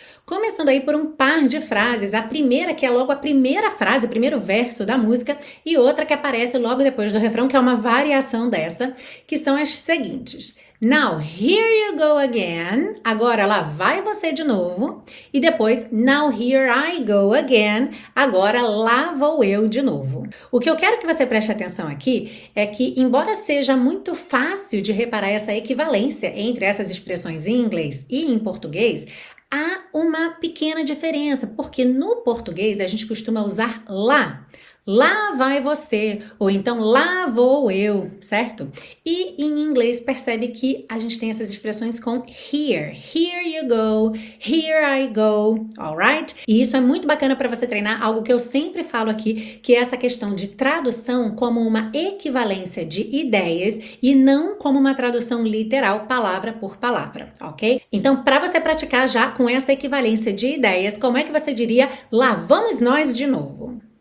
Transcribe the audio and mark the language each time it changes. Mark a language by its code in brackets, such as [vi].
[pt] Começando aí por um par de frases. A primeira, que é logo a primeira frase, o primeiro verso da música, e outra que aparece logo depois do refrão, que é uma variação dessa, que são as seguintes. [en] Now, here you go again. [pt] Agora lá vai você de novo. [en] E depois, now here I go again. [pt] Agora lá vou eu de novo. O que eu quero que você preste atenção aqui é que, embora seja muito fácil de reparar essa equivalência entre essas expressões em inglês e em português, há uma pequena diferença, porque no português a gente costuma usar lá. Lá vai você, ou então lá vou eu, certo? E em inglês, percebe que a gente tem essas expressões com here. [en] Here you go, here I go, alright? [pt] E isso é muito bacana para você treinar algo que eu sempre falo aqui, que é essa questão de tradução como uma equivalência de ideias e não como uma tradução literal, palavra por palavra, ok? Então, para você praticar já com essa equivalência de ideias, como é que você diria lá vamos nós de novo?